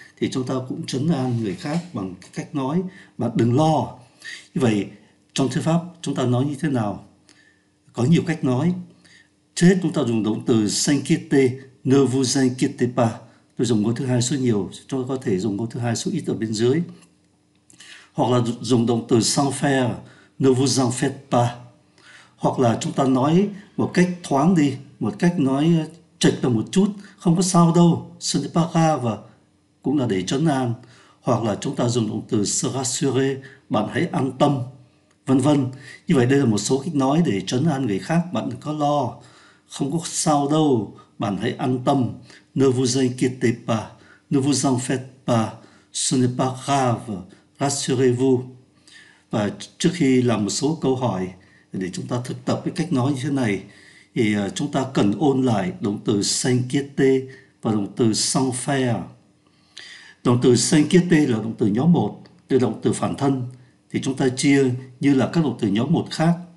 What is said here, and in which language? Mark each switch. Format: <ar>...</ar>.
<vi>Thì chúng ta cũng trấn an người khác bằng cái cách nói, bạn đừng lo. Như vậy, trong thư pháp chúng ta nói như thế nào? Có nhiều cách nói. Trước hết chúng ta dùng động từ s'inquiéter,</vi> <fr>ne vous inquiétez pas.</fr> <vi>Tôi dùng ngôn thứ hai số nhiều, tôi có thể dùng ngôn thứ hai số ít ở bên dưới. Hoặc là dùng động từ s'en faire,</vi> <fr>ne vous en faites pas.</fr> <vi>Hoặc là chúng ta nói một cách thoáng đi, một cách nói chệch ra một chút, không có sao đâu,</vi> <fr>ce n'est pas grave,</fr> <vi>và cũng là để trấn an. Hoặc là chúng ta dùng động từ se rassurer, bạn hãy an tâm, vân vân. Như vậy đây là một số cách nói để trấn an người khác, bạn đừng có lo, không có sao đâu, bạn hãy an tâm.</vi> <fr>Ne vous inquiétez pas, ne vous en faites pas, ce n'est pas grave, rassurez-vous.</fr> <vi>Và trước khi làm một số câu hỏi để chúng ta thực tập cái cách nói như thế này, thì chúng ta cần ôn lại động từ s'inquiéter và động từ s'en faire. Động từ s'inquiéter là động từ nhóm 1, từ động từ phản thân, thì chúng ta chia như là các động từ nhóm 1 khác.</vi>